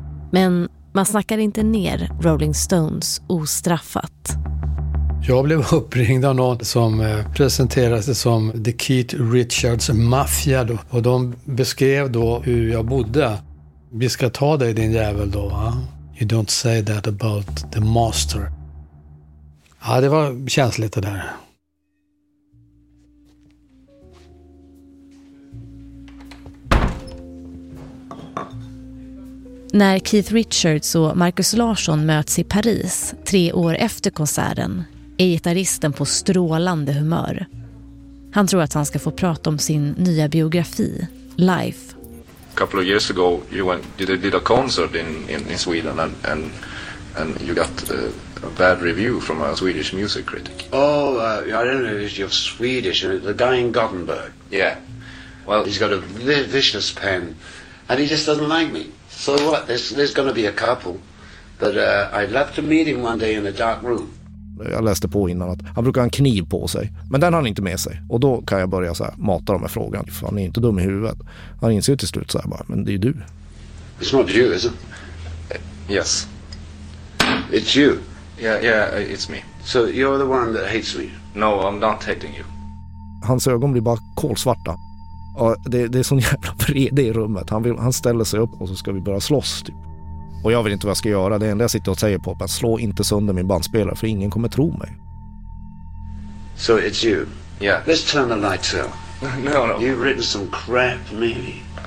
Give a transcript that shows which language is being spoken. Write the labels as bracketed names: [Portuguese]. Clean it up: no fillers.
[Swedish] Men man snackar inte ner Rolling Stones ostraffat. Jag blev uppringd av någon som presenterade som The Keith Richards Mafia. Då. Och de beskrev då hur jag bodde. Vi ska ta dig, din jävel, då, va? [English] You don't say that about the master. [Swedish] Ja, det var känsligt det där. När Keith Richards och Marcus Larsson möts i Paris 3 år efter konserten är gitarristen på strålande humör. Han tror att han ska få prata om sin nya biografi, Life. [English] A couple of years ago you did a concert in Sweden and you got a bad review from a Swedish music critic. Oh, I don't know if you're Swedish. The guy in Gothenburg. Yeah. Well, he's got a vicious pen, and he just doesn't like me. So what? There's going to be a couple, but I'd love to meet him one day in a dark room. [Swedish] Jag läste på innan att han brukar ha en kniv på sig, men den har han inte med sig. Och då kan jag börja så här mata dem med frågan. För han är inte dum i huvudet. Han inser till slut så här bara, men det är du. [English] It's not you, is it? Yes. It's you. Yeah, it's me. So you're the one that hates me? No, I'm not hating you. [Swedish] Hans ögon blir bara kolsvarta. Och det är sån jävla vred i rummet. Han ställer sig upp och så ska vi börja slåss typ. Och jag vet inte vad jag ska göra. Det enda jag sitter och säger på att slå inte sönder min bandspelare, för ingen kommer tro mig. [English] So it's you? Yeah. Let's turn the lights out. No. You've written some crap, maybe.